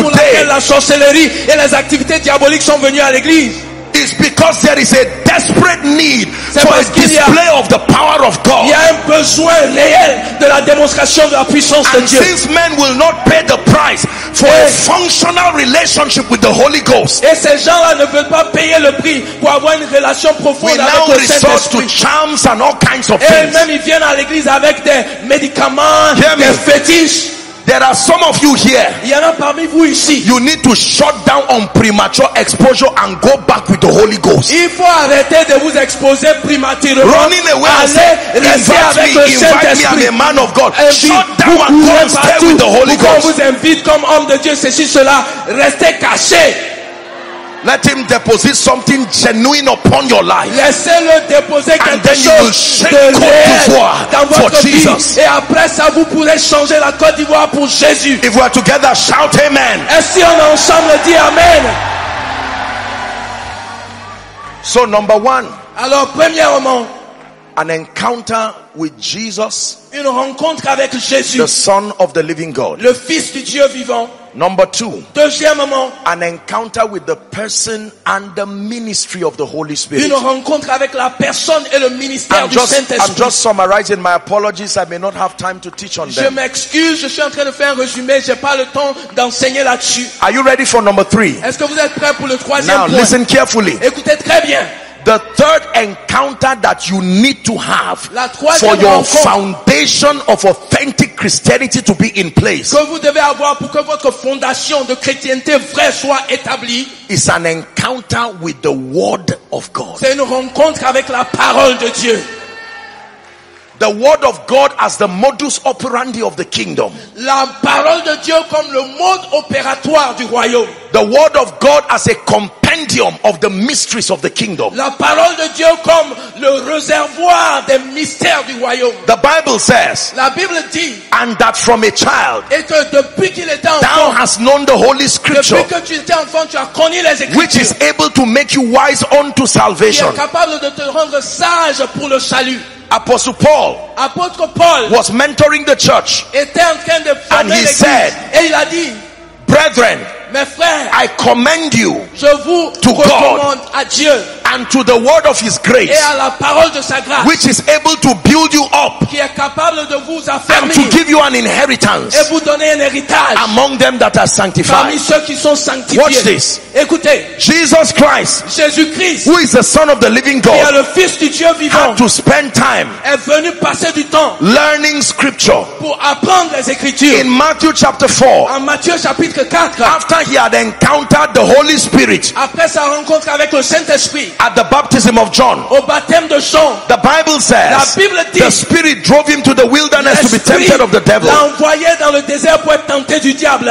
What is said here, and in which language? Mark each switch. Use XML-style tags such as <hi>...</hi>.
<fr>La raison pour laquelle la sorcellerie et les activités diaboliques sont venues à l'église.</fr> <en>It's because there is a desperate need</en> <fr>c'est</fr> <en>for a display of the power of God.</en> <fr>Il y a un besoin réel de la démonstration de la puissance</fr> <en>and</en> <fr>de Dieu.</fr> <en>And since men will not pay the price for a functional relationship with the Holy Ghost.</en> <fr>Et ces gens-là ne veulent pas payer le prix pour avoir une relation profonde avec le Saint-Esprit.</fr> <en>We now resort to charms and all kinds of</en> <fr>et</fr> <en>things.</en> <fr>Et même ils viennent à l'église avec des médicaments, des fétiches.</fr> <en>There are some of you here.</en> <fr>Il y en a parmi vous ici.</fr> <en>You need to shut down on premature exposure and go back with the Holy Ghost.</en> <fr>Il faut arrêter de vous exposer prématurément.</fr> <en>Running away and saying, invite me, I'm a man of God. Shut down and go and stay with the Holy Ghost.</en> <fr>Vous invite comme homme de Dieu, ceci, cela, restez caché.</fr> <en>Let him deposit something genuine upon your life.</en> <fr>Laissez-le déposer quelque chose de réel dans votre vie. Et après ça, vous pourrez changer la Côte d'Ivoire pour Jésus.</fr> <en>If we are together, shout amen.</en> <fr>Et si on est ensemble, dit amen.</fr> <en>So number one.</en> <fr>Alors premièrement,</fr> <en>an encounter with Jesus.</en> <fr>Une rencontre avec Jésus.</fr> <en>The Son of the Living God.</en> <fr>Le Fils du Dieu vivant.</fr> <en>Number two,</en> <fr>deuxièmement,</fr> <en>an encounter with the person and the ministry of the Holy Spirit.</en> <fr>Une rencontre avec la personne et le ministère du Saint-Esprit.</fr> <en>I'm just summarizing. My apologies. I may not have time to teach on</en> <fr>je them. Je m'excuse. Je suis en train de faire un résumé. J'ai pas le temps d'enseigner là-dessus.</fr> <en>Are you ready for number three?</en> <fr>Est-ce que vous êtes prêt pour le troisième</fr> <en>now,</en> <fr>point?</fr> <en>Now listen carefully.</en> <fr>Écoutez très bien.</fr> <en>The third encounter that you need to have</en> <fr>la troisième</fr> <en>for your</en> <fr>rencontre</fr> <en>foundation of authentic Christianity to be in place</en> <fr>que vous devez avoir pour que votre fondation de chrétienté vraie soit établie</fr> <en>is an encounter with the Word of God.</en> <fr>C'est une rencontre avec la parole de Dieu.</fr> <en>The Word of God as the modus operandi of the kingdom.</en> <fr>La parole de Dieu comme le mode opératoire du royaume.</fr> <en>The Word of God as a compendium of the mysteries of the kingdom.</en> <fr>La parole de Dieu comme le réservoir des mystères du royaume.</fr> <en>The Bible says.</en> <fr>La Bible dit.</fr> <en>And that from a child.</en> <fr>Et que depuis qu'il était enfant.</fr> <en>Thou hast known the Holy Scripture.</en> <fr>Depuis que tu étais enfant, tu as connu les Écritures.</fr> <en>Which is able to make you wise unto salvation.</en> <fr>Qui est capable de te rendre sage pour le salut.</fr> <en>Apostle Paul, Apostle Paul was mentoring the church and he said,</en> <fr>et il a dit,</fr> <en>brethren,</en> <fr>mes frères,</fr> <en>I commend you</en> <fr>je vous</fr> <en>to God</en> <fr>à Dieu</fr> <en>and to the word of his grace,</en> <fr>et à la parole de sa grâce,</fr> <en>which is able to build you up</en> <fr>qui est capable de vous affermir,</fr> <en>and to give you an inheritance</en> <fr>et vous donner un héritage</fr> <en>among them that are sanctified.</en> <fr>Parmi ceux qui sont sanctifiés.</fr> <en>Watch this.</en> <fr>Écoutez,</fr> <en>Jesus Christ,</en> <fr>Jésus-Christ,</fr> <en>who is the Son of the Living God,</en> <fr>qui est le Fils du Dieu vivant,</fr> <en>had to spend time</en> <fr>est venu passer du temps</fr> <en>learning scripture</en> <fr>pour apprendre les écritures.</fr> <en>In Matthew chapter 4,</en> <fr>en Matthieu chapitre 4,</fr> <en>after he had encountered the Holy Spirit,</en> <fr>après sa rencontre avec le Saint-Esprit,</fr> <en>at the baptism of John.</en> <fr>Au baptême de Jean.</fr> <en>The Bible says,</en> <fr>la Bible dit,</fr> <en>the Spirit drove him to the wilderness to be tempted of the devil.</en> <fr>L'a envoyé dans le désert pour être tenté du diable.</fr>